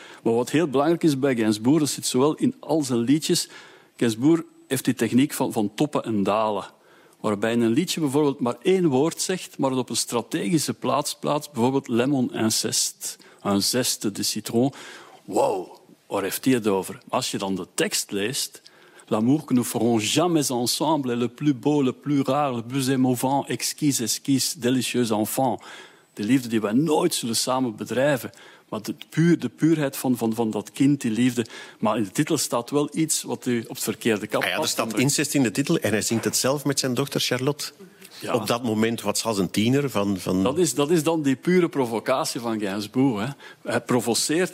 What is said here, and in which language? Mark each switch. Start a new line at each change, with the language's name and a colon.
Dutch: Maar wat heel belangrijk is bij Gainsbourg, dat zit zowel in al zijn liedjes. Gainsbourg heeft die techniek van toppen en dalen. Waarbij in een liedje bijvoorbeeld maar één woord zegt, maar het op een strategische plaats plaatst. Bijvoorbeeld lemon incest.
French: Un zeste de citron.
Dutch: Wow, waar heeft hij het over? Als je dan de tekst leest...
French: L'amour que nous ferons jamais ensemble est le plus beau, le plus rare, le plus émouvant, exquise, exquise, délicieuse enfant.
Dutch: De liefde die wij nooit zullen samen bedrijven... Maar de puurheid van dat kind, die liefde. Maar in de titel staat wel iets wat u op het verkeerde kap past. Ja, er staat incest in de titel en hij zingt het zelf met zijn dochter Charlotte. Ja. Op dat moment was als een tiener van... Dat is dan die pure provocatie van Gainsbourg. Hè. Hij provoceert.